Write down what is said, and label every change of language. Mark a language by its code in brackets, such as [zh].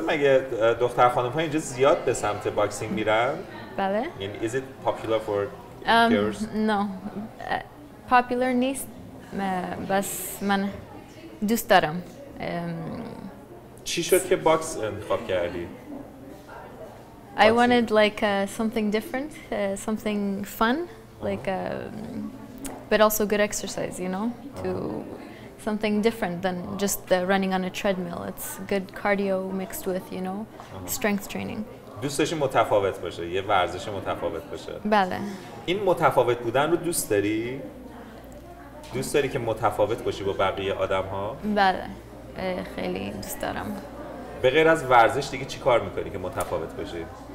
[fa] مگه دختر خانم های اینجا زیاد به سمت باکسینگ میرن؟ بله. یعنی [en] is it popular for girls؟ [fa] نه popular نیست، بس من دوست دارم. چی شد که باکس انتخاب کردی؟ [en] I wanted like something different, something fun, like but also good exercise, you know, to something different than just the running on a treadmill. It's good cardio mixed with, you know, strength training. [fa] دوست داشتی متفاوت باشه، یه ورزش متفاوت باشه. بله. این متفاوت بودن رو دوست داری؟ دوست داری که متفاوت باشی با بقیه آدم ها؟ بله، خیلی دوست دارم. به غیر از ورزش دیگه چی کار میکنی که متفاوت باشی؟